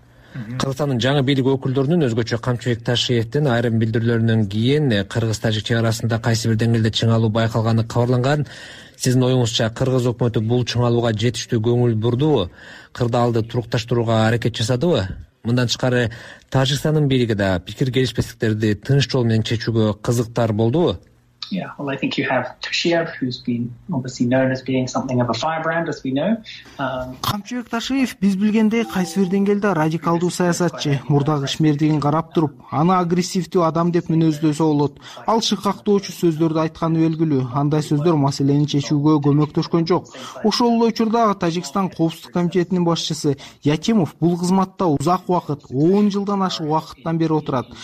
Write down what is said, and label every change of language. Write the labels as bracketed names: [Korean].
[Kyrgyz] Кыргызстандын жаңы бийлик өкүлдөрүнүн өзгөчө Камчыбек Ташиевтин айрым билдирүүлөрүнөн кийин кыргыз тажик чек арасында кайсы бир деңгээлде чыңалуу байкалганы кабарланган. Сиздин оюңузча кыргыз өкмөтү бул чыңалууга жетиштүү көңүл бурдубу, кырдаалды турукташтырууга аракет жасадыбы? Мындан тышкары Тажикстандын бийлиги да пикир келишпестиктерди тынч жол менен чечүүгө кызыктар болдубу? [English] Yeah, well, I think you have Tashiev, who's been obviously known as being something of a firebrand, as we know. [Kyrgyz] Камчыбек Ташиев, биз билгендей, кайсы бир деңгээлде радикалдуу саясатчы. Мурдагы иш мердигин карап туруп, аны агрессивдүү адам деп мүнөздөсө болот. Ал шыкактоочу сөздөрдү айтканы белгилүү. Андай сөздөр маселени чечүүгө көмөктөшкөн жок. Ошол эле учурда Тажикстан Коопсуздук комитетинин башчысы Якимов бул кызматта узак убакыт, 10 жылдан ашык убакыттан бери отурат.